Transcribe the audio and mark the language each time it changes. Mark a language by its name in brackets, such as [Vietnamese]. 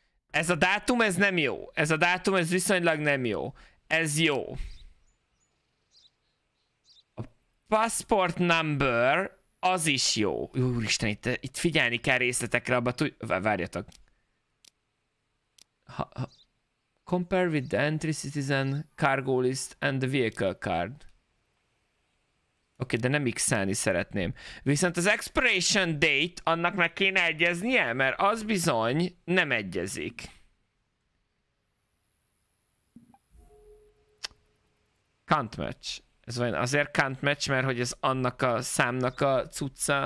[Hungarian] Ez a dátum, ez nem jó. Ez a dátum, ez viszonylag nem jó. Ez jó. Passport number, az is jó. Úristen, itt figyelni kell részletekre, abba várjatok. [English] Compare with the entry citizen, cargo list and the vehicle card. [Hungarian] Oké, okay, de nem x-elni szeretném. Viszont az expiration date, annak meg kéne egyeznie, mert az bizony nem egyezik. [English] Can't match. [Hungarian] Ez vajon azért can't match, mert hogy ez annak a számnak a cucca.